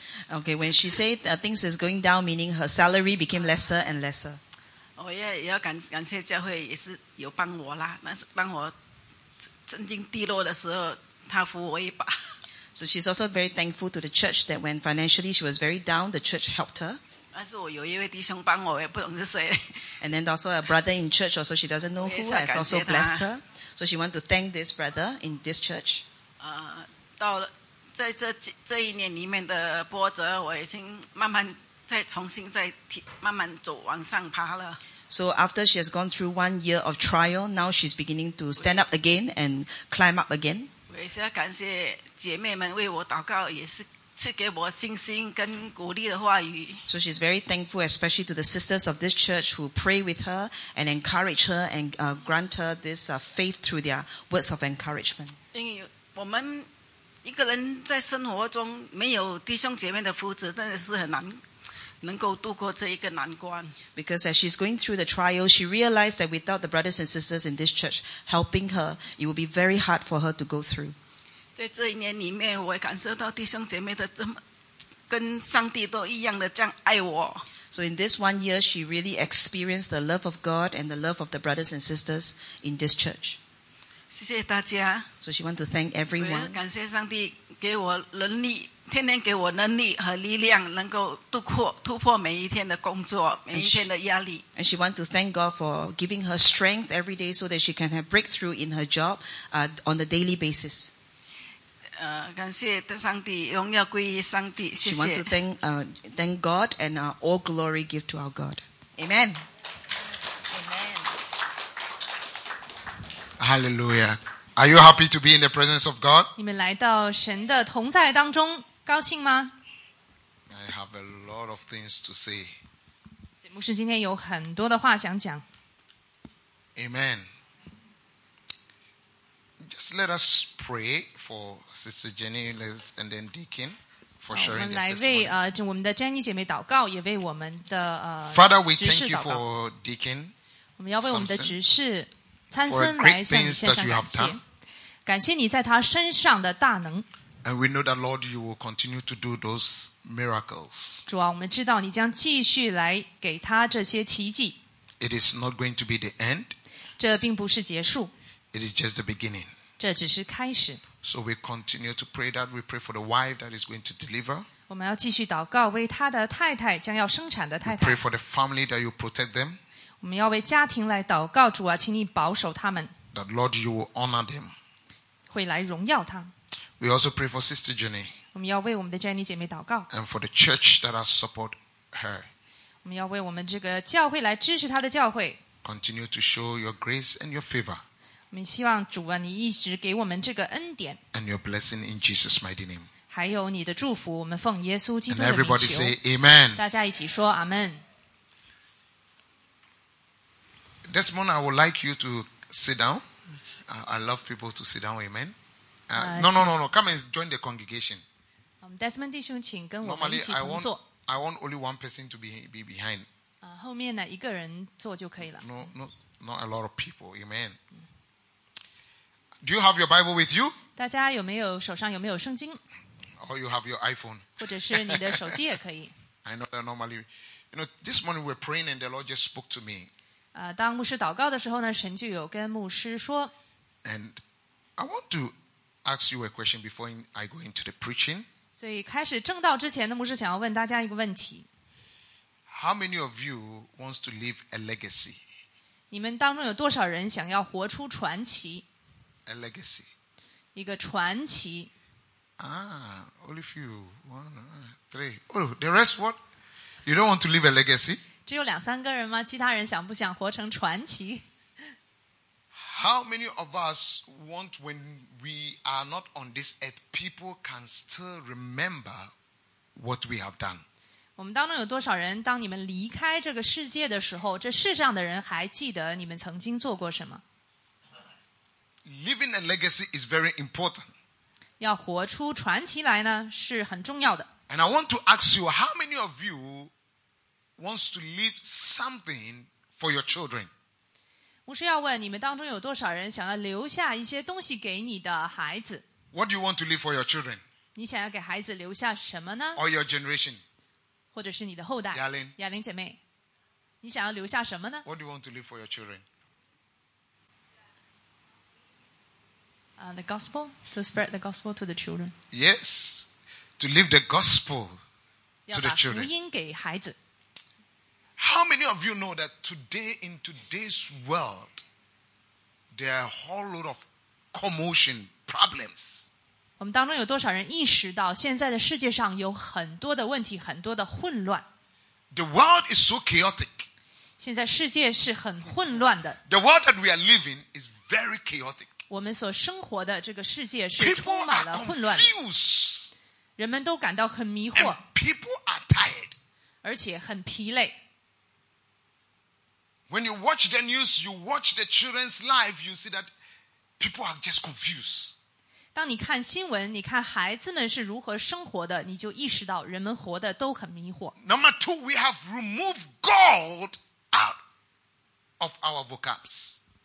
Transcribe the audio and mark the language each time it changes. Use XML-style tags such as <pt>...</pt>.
<en>Okay, when she said that things is going down, meaning her salary became lesser and lesser.</en> <zh>我也要感谢教会也是有帮我啦，但是当我曾经低落的时候，他扶我一把。</zh> <en>So she's also very thankful to the church that when financially she was very down, the church helped her.</en> <zh>但是我有一位弟兄帮我，我也不懂是谁。</zh> <en>And then also a brother in church, also she doesn't know who has also blessed her. So she want to thank this brother in this church.</en> <zh>到了在这一年里面的波折，我已经慢慢再重新再慢慢走往上爬了。</zh> <en>So after she has gone through 1 year of trial, now she's beginning to stand up again and climb up again.</en> <zh>我也是要感谢姐妹们为我祷告，也是。赐给我信心跟鼓励的话语。</zh> <en>So she's very thankful, especially to the sisters of this church who pray with her and encourage her and grant her this faith through their words of encouragement.</en> <zh>因为我们一个人在生活中没有弟兄姐妹的扶持，真的是很难能够度过这一个难关。</zh> <en>Because as she's going through the trial, she realized that without the brothers and sisters in this church helping her, it would be very hard for her to go through.</en> <zh>在这一年里面，我感受到弟兄姐妹的这么跟上帝都一样的这样爱我。</zh> <en>So in this 1 year, she really experienced the love of God and the love of the brothers and sisters in this church.</en> <zh>谢谢大家。</zh> <en>So she want to thank everyone.</en> <zh>感谢上帝给我能力，天天给我能力和力量，能够突破每一天的工作，每一天的压力。</zh> <en>And she want to thank God for giving her strength every day so that she can have breakthrough in her job, on a daily basis.</en> <zh>感谢上帝，荣耀归于上帝。谢谢。</zh> <en>She wants to thank God and all glory give to our God. Amen. Amen. Hallelujah. Are you happy to be in the presence of God?</en> <zh>你们来到神的同在当中，高兴吗？</zh> <en>I have a lot of things to say.</en> <zh>节目师今天有很多的话想讲。</zh> <en>Amen. Just let us pray for Sister Jenny Liz and then Deacon for sharing this morning.</en> <zh>我们来为我们的 Jenny 姐妹祷告，也为我们的</zh> <en>Father, we thank you for Deacon.</en> <zh>我们要为我们的执事参孙来向你献上感谢，感谢你在他身上的大能。</zh> <en>And we know that Lord, you will continue to do those miracles.</en> <zh>主啊，我们知道你将继续来给他这些奇迹。</zh> <en>It is not going to be the end.</en> <zh>这并不是结束。</zh> <en>It is just the beginning.</en> <zh>这只是开始。</zh> <en>So we continue to pray that we pray for the wife that is going to deliver.</en> <zh>我们要继续祷告为他的太太将要生产的太太。</zh> <en>We pray for the family that you protect them.</en> <zh>我们要为家庭来祷告，主啊，请你保守他们。</zh> <en>That Lord, you will honor them.</en> <zh>会来荣耀他。</zh> <en>We also pray for Sister Jenny.</en> <zh>我们要为我们的 Jenny 姐妹祷告。</zh> <en>And for the church that has support her.</en> <zh>我们要为我们这个教会来支持她的教会。</zh> <en>Continue to show your grace and your favor.</en> <zh>我们希望主啊，你一直给我们这个恩典。</zh> <en>And your blessing in Jesus' mighty name.</en> <zh>还有你的祝福，我们奉耶稣基督的名求。</zh> <en>And everybody say Amen.</en> <zh>大家一起说阿门。</zh> <en>This morning, I would like you to sit down. I love people to sit down, amen. No. Come and join the congregation.</en> <zh>Desmond 弟兄，请跟我们一起同坐。</zh> <en>Normally, I want only one person to be behind.</en> <zh>后面呢，一个人坐就可以了。</zh> <en>No, not a lot of people, amen. Do you have your Bible with you?</en> <zh>大家有没有手上有没有圣经？</zh> <en>Or you have your iPhone.</en> <zh>或者是你的手机也可以。</zh> <en>I know that normally, you know, this morning we're praying and the Lord just spoke to me.</en> <zh>当牧师祷告的时候呢，神就有跟牧师说。</zh> <en>And I want to ask you a question before I go into the preaching.</en> <zh>所以开始正道之前呢，牧师想要问大家一个问题。</zh> <en>How many of you wants to leave a legacy?</en> <zh>你们当中有多少人想要活出传奇</zh> <en>？A legacy.</en> <zh>一个传奇。</zh> <en>Only few. One, three. Oh, the rest what? You don't want to leave a legacy?</en> <zh>只有两三个人吗？其他人想不想活成传奇</zh> <en>？How many of us want when we are not on this earth, people can still remember what we have done？</en> <zh>我们当中有多少人，当你们离开这个世界的时候，这世上的人还记得你们曾经做过什么</zh> <en>？Leaving a legacy is very important。</en> <zh>要活出传奇来呢，是很重要的。</zh> <en>And I want to ask you, how many of you？ Wants to leave something for your children.</en> <zh>牧师要问你们当中有多少人想要留下一些东西给你的孩子。</zh> <en>What do you want to leave for your children?</en> <zh>你想要给孩子留下什么呢</zh> <en>？Or your generation?</en> <zh>或者是你的后代。雅玲姐妹，你想要留下什么呢</zh> <en>？What do you want to leave for your children? The gospel to spread the gospel to the children. Yes, to leave the gospel to the children.</en> <zh>要把福音给孩子。</zh> <en>How many of you know that today, in today's world, there are a whole lot of commotion problems?</en> <zh>我们当中有多少人意识到现在的世界上有很多的问题，很多的混乱？</zh> <en>The world is so chaotic.</en> <zh>现在世界是很混乱的。</zh> <en>The world that we are living is very chaotic.</en> <zh>我们所生活的这个世界是充满了混乱。</zh> <en>People are confused.</en> <zh>人们都感到很迷惑。</zh> <en>And people are tired.</en> <zh>而且很疲累。</zh> <en>When you watch the news, you watch the children's life, you see that people are just confused.</en> <zh>当你看新闻，你看孩子们是如何生活的，你就意识到人们活的都很迷惑。</zh> <en>Number two, we have removed God out of our vocabs.</en>